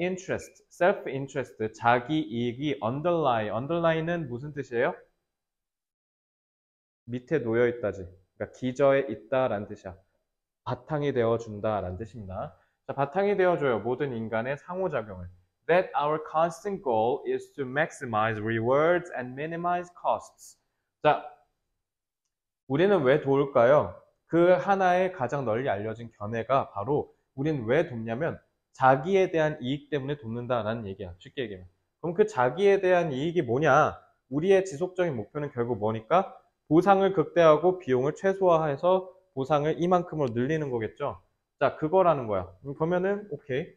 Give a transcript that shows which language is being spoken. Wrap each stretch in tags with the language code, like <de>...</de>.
<ko>Self-interest. 자기 이익이 underlie. Underlie는 무슨 뜻이에요? 밑에 놓여있다지. 그러니까 기저에 있다라는 뜻이야. 바탕이 되어준다라는 뜻입니다. 자, 바탕이 되어줘요. 모든 인간의 상호작용을.</ko> <en>That our constant goal is to maximize rewards and minimize costs.</en> <ko>자, 우리는 왜 도울까요? 그 하나의 가장 널리 알려진 견해가 바로 우리는 왜 돕냐면 자기에 대한 이익 때문에 돕는다라는 얘기야. 쉽게 얘기하면. 그럼 그 자기에 대한 이익이 뭐냐? 우리의 지속적인 목표는 결국 뭐니까? 보상을 극대화하고 비용을 최소화해서 보상을 이만큼으로 늘리는 거겠죠? 자, 그거라는 거야. 그러면은, 오케이.</ko>